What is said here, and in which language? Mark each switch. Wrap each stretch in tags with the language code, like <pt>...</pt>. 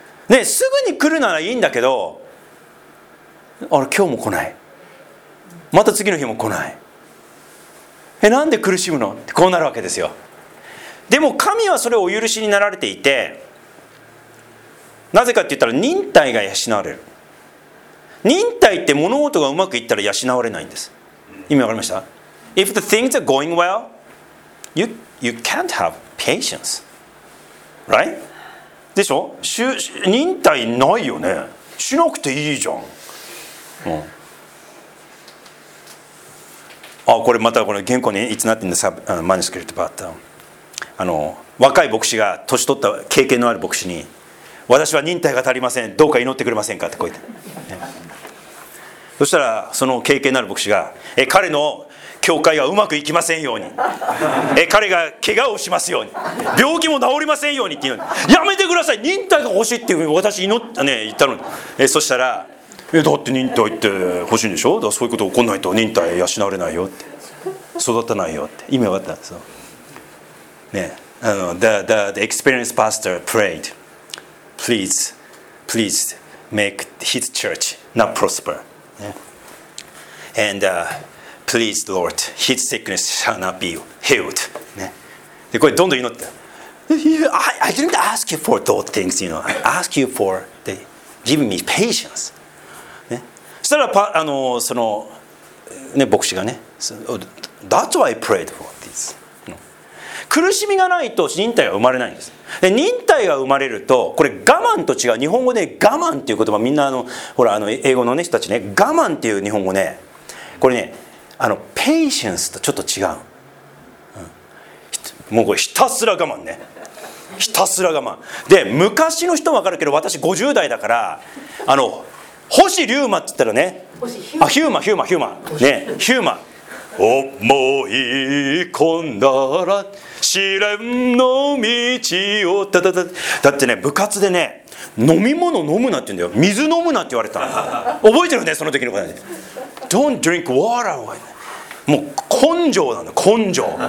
<ja>ね、すぐに来るならいいんだけど、あれ今日も来ない、また次の日も来ない、え、なんで苦しむのってこうなるわけですよ。でも神はそれをお許しになられていて、なぜかって言ったら忍耐が養われる。忍耐って物事がうまくいったら養われないんです。意味わかりました？</ja> <en>If the things are going well, you can't have patience.</en> <ja>Right? でしょ？忍耐ないよね。しなくていいじゃん。うん、あ、これまたこれ原稿にいつなってんだ、あのマニスクリプトバッタ、あの若い牧師が年取った経験のある牧師に、私は忍耐が足りません、どうか祈ってくれませんかってこう言って、ね、そしたらその経験のある牧師が、え、彼の教会はうまくいきませんように、え、彼が怪我をしますように、病気も治りませんようにって言うのに、やめてください、忍耐が欲しいっていうふうに私祈ったね、言ったのに、え、そしたら、え、だって忍耐って欲しいんでしょ、だからそういうこと起こんないと忍耐養われないよって、育たないよって、意味分かったんですよね。</ja> <en>あの the experienced pastor prayed, please please make his church not prosper、ね、and、please Lord his sickness shall not be healed、ね、</en> <ja>でこれどんどん祈って、</ja> <en>I didn't ask you for those things, you know, I ask you for the, giving me patience</en> <ja>そしたらあのその、ね、牧師がね、</ja> <en>That's why I prayed for this、</en> <ja>うん、苦しみがないと忍耐は生まれないんです。で、忍耐が生まれると、これ我慢と違う、日本語で我慢っていう言葉、みんなあのほらあの英語の、ね、人たちね、我慢っていう日本語ね、これね、あの patience とちょっと違う、うん、もうこれひたすら我慢ね、ひたすら我慢で、昔の人も分かるけど、私50代だから、あの星リューマって言ったらね、あ、ヒューマ、ヒューマ、ヒューマ、ね、ヒューマ、思い込んだら試練の道を、だだだだってね、部活でね、飲み物飲むなって言うんだよ、水飲むなって言われた、覚えてるね、その時のこと、ね、</ja> <en>Don't drink water、</en> <ja>もう根性なんだ、根性、</ja>